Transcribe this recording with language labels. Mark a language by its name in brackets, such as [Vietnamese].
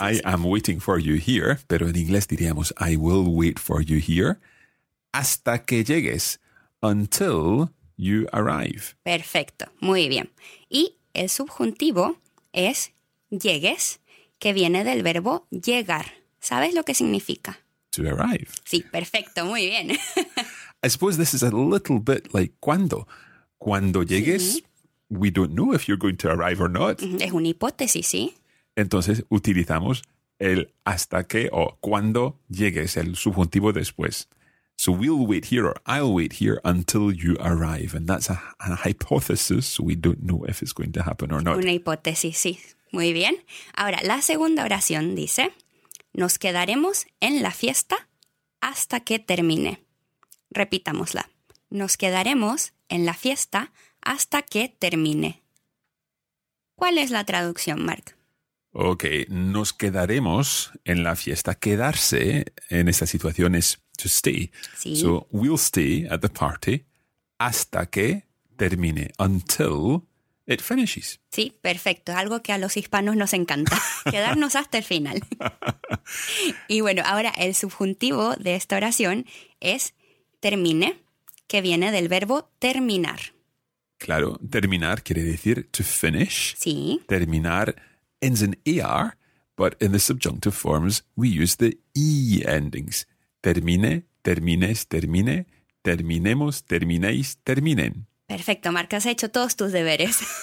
[English] I am waiting for you here, [Spanish] pero en inglés diríamos, [English] I will wait for you here. [Spanish] Hasta que llegues, [English] until you arrive. [Spanish] Perfecto, muy bien. Y el subjuntivo es llegues, que viene del verbo llegar. ¿Sabes lo que significa? [English] To arrive. [Spanish] Sí, perfecto, muy bien. [English] I suppose this is a little bit like [Spanish] cuando. Cuando llegues, sí. [English] We don't know if you're going to arrive or not. [Spanish] Es una hipótesis, sí. Entonces utilizamos el hasta que o cuando llegues, el subjuntivo después. [English] So we'll wait here or I'll wait here until you arrive. And that's a hypothesis, so we don't know if it's going to happen or not. [Spanish] Una hipótesis, sí. Muy bien. Ahora, la segunda oración dice, nos quedaremos en la fiesta hasta que termine. Repitámosla. Nos quedaremos en la fiesta hasta que termine. ¿Cuál es la traducción, Mark? Ok, nos quedaremos en la fiesta. Quedarse en esta situación es... [English] to stay. [Spanish] Sí. [English] So we'll stay at the party [Spanish] hasta que termine, [English] until it finishes. [Spanish] Sí, perfecto. Algo que a los hispanos nos encanta, quedarnos hasta el final. Y bueno, ahora el subjuntivo de esta oración es termine, que viene del verbo terminar. Claro, terminar quiere decir [English] to finish. [Spanish] Sí. [English] Terminar ends in er, but in the subjunctive forms we use the e endings. [Spanish] Termine, termines, termine, terminemos, terminéis, terminen. Perfecto, Marc, has hecho todos tus deberes.